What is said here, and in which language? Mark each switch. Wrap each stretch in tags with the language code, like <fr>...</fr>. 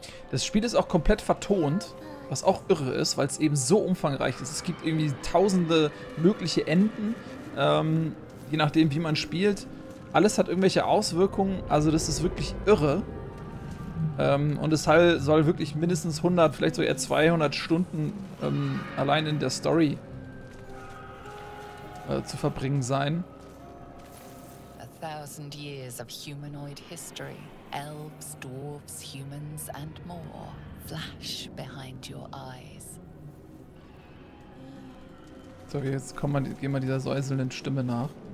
<de>Das Spiel ist auch komplett vertont, was auch irre ist, weil es eben so umfangreich ist. Es gibt irgendwie tausende mögliche Enden, je nachdem, wie man spielt. Alles hat irgendwelche Auswirkungen, also das ist wirklich irre. Und es soll wirklich mindestens 100, vielleicht sogar 200 Stunden allein in der Story zu verbringen sein.</de> <en>Thousand years of humanoid history, elves, dwarves, humans and more flash behind your eyes.</en> <de>So, jetzt gehen wir dieser säuselnden Stimme nach.</de>